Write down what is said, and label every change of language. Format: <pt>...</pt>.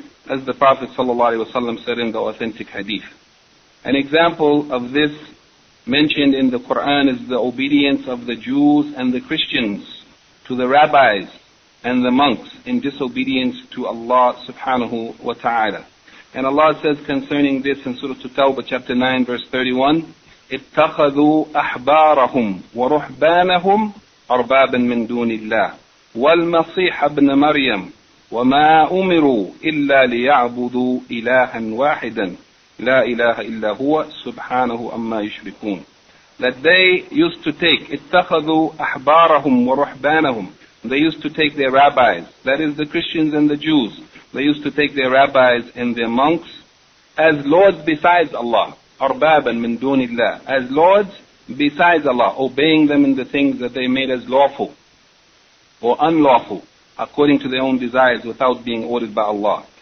<en>As the Prophet ﷺ said in the authentic hadith. An example of this mentioned in the Quran is the obedience of the Jews and the Christians to the rabbis and the monks in disobedience to Allah subhanahu wa ta'ala. And Allah says concerning this in Surah At-Tawbah chapter 9 verse 31,</en> <ar>اتخذوا أحبارهم ورحبانهم أربابا من دون الله والمصيح ابن مريم وما أمروا إلا ليعبدوا إلها واحدا لا إله إلا هو سبحانه أما يشركون.</ar> <en>That they used to take,</en> <ar>اتخذوا أحبارهم ورحبانهم.</ar> <en>They used to take their rabbis, that is the Christians and the Jews, they used to take their rabbis and their monks as lords besides Allah,</en> <ar>أَرْبَابًا مِنْ دُونِ اللَّهِ,</ar> <en>as lords besides Allah, obeying them in the things that they made as lawful or unlawful, according to their own desires, without being ordered by Allah.</en>